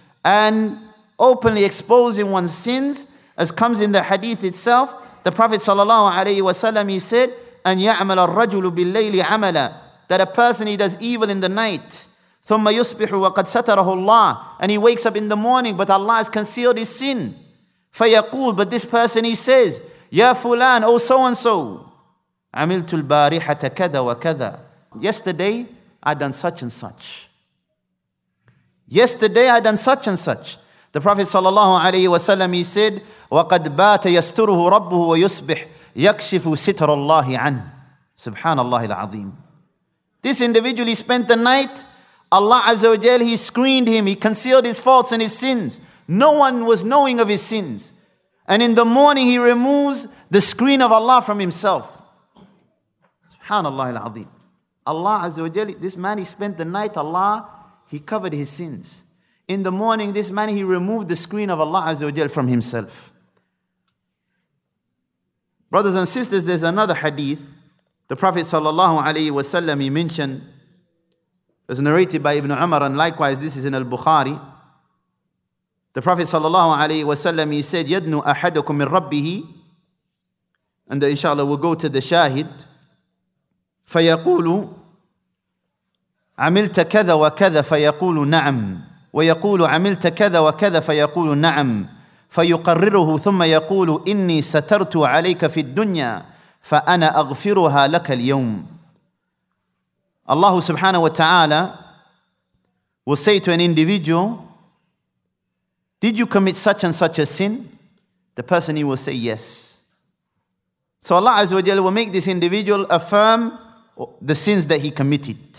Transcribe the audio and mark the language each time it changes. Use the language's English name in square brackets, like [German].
[English] And openly exposing one's sins, as comes in the hadith itself, the Prophet صلى الله عليه وسلم, he said, [Arabic] أَنْ يَعْمَلَ الرَّجُلُ بِاللَّيْلِ عَمَلًا, [English] that a person, he does evil in the night, [Arabic] ثم يصبح وقد ستره الله, [English] and he wakes up in the morning, but Allah has concealed his sin. [Arabic] فيقول, [English] but this person, he says, [Arabic] يَا فُلَان, [English] oh so-and-so, [Arabic] عَمِلْتُ الْبَارِحَةَ كَذَا وَكَذَا, [English] yesterday I done such and such. Yesterday I done such and such. The Prophet sallallahu alayhi wa sallam, he said, [Arabic] وَقَدْ بَاتَ يَسْتُرُهُ رَبُّهُ وَيُصْبِحْ يَكْشِفُ سِتْرَ اللَّهِ عَنْ. سُبْحَانَ اللَّهِ الْعَظِيمِ. [English] This individual, he spent the night, Allah Azza wa Jal, he screened him, he concealed his faults and his sins. No one was knowing of his sins. And in the morning he removes the screen of Allah from himself. Subhanallah al-Azim. Allah Azza wa Jal, this man, he spent the night, Allah, he covered his sins. In the morning, this man, he removed the screen of Allah Azza wa Jal from himself. Brothers and sisters, there's another hadith. The Prophet sallallahu alayhi wa sallam, he mentioned, as narrated by Ibn Umar, and likewise this is in Al-Bukhari. The Prophet sallallahu alayhi wa sallam, he said, [Arabic] يَدْنُ أَحَدُكُمْ مِنْ رَبِّهِ, [English] and inshallah we'll go to the shahid, [Arabic] فَيَقُولُ عَمِلْتَ كَذَا وَكَذَا فَيَقُولُ نَعَمْ وَيَقُولُ عَمِلْتَ كَذَا وَكَذَا فَيَقُولُ نَعَمْ فَيُقَرِّرُهُ ثُمَّ يَقُولُ إِنِّي سَتَرْتُ عَلَيْكَ فِي الدُّنْيَا فَأَنَا أَغْفِرُهَا لَكَ الْيَوْمِ. [English] Allah subhanahu wa ta'ala will say to an individual, did you commit such and such a sin? The person, he will say, yes. So Allah azza wa jal will make this individual affirm the sins that he committed.